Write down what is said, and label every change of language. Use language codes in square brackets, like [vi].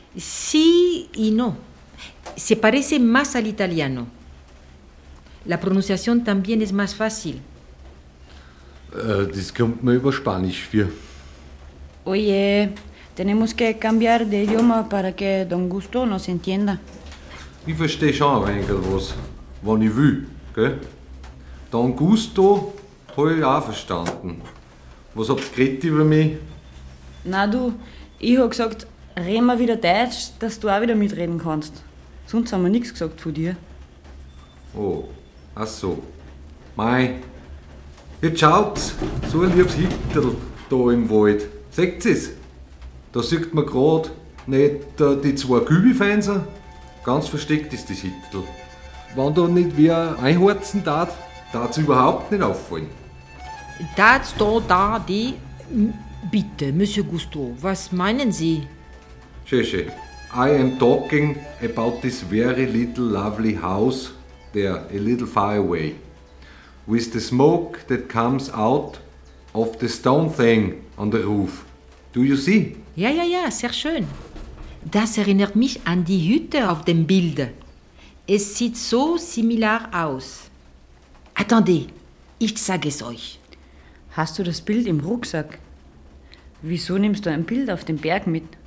[es] Sí y no. Se parece más al italiano. La pronunciación también es más fácil. [de] Das kommt mir über Spanisch für. [es] Oye, tenemos que cambiar de idioma para que Don Gusto nos entienda. [de] Ich verstehe schon ein wenig was, wenn ich will, gell? Don Gusto habe ich auch verstanden. Was habt ihr geredet über mich? Na du, ich habe gesagt, reden wir wieder Deutsch, dass du auch wieder mitreden kannst. Sonst haben wir nichts gesagt von dir. Oh, ach so. Mei. Jetzt schaut's, so ein liebes Hitterl da im Wald. Seht ihr's? Da sieht man gerade nicht die zwei Kübifenser. Ganz versteckt ist das Hitterl. Wenn da nicht wer einhorzen darf, darf es überhaupt nicht auffallen. Das da, da, die. Bitte, Monsieur Gusto, was meinen Sie? Schön. [en] I am talking about this very little lovely house there, a little far away. With the smoke that comes out of the stone thing on the roof. Do you see? [de] Ja, sehr schön. Das erinnert mich an die Hütte auf dem Bild. Es sieht so [en] similar [de] aus. [fr] Attendez, [de] ich sage es euch. Hast du das Bild im Rucksack? Wieso nimmst du ein Bild auf den Berg mit?